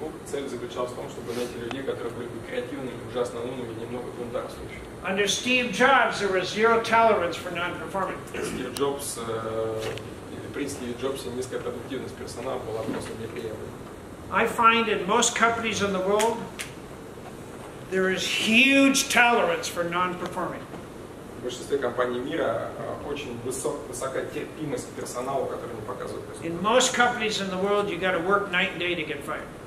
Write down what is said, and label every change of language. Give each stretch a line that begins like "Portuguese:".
Russian: Цель заключалась в том, чтобы найти людей, которые были бы креативными, ужасно умными, немного бунтарствующими.
English: Under Steve Jobs, there was zero tolerance for non-performing.
Russian: Steve Jobs, при Steve Jobs, низкая продуктивность персонала была просто неприемлема.
English: I find in most companies in the world, there is huge tolerance for non-performing.
Russian: В большинстве компаний мира очень высокая терпимость к персоналу, который не показывает результат.
English: In most companies in the world, you got to work night and day to get fired.